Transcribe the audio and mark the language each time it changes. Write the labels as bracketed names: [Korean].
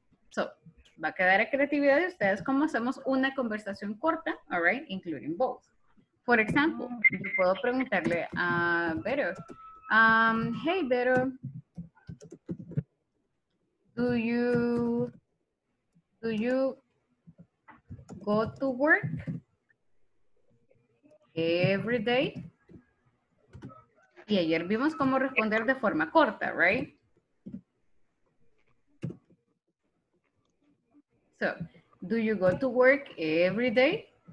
[Spanish] So, va a quedar a creatividad de ustedes cómo hacemos una conversación corta, [English] all right, including both. For example, [Spanish] yo puedo preguntarle a Vero. [English] Hey, Vero, do you go to work every day? [Spanish] Y ayer vimos cómo responder de forma corta, right? [English] So, do you go to work every day?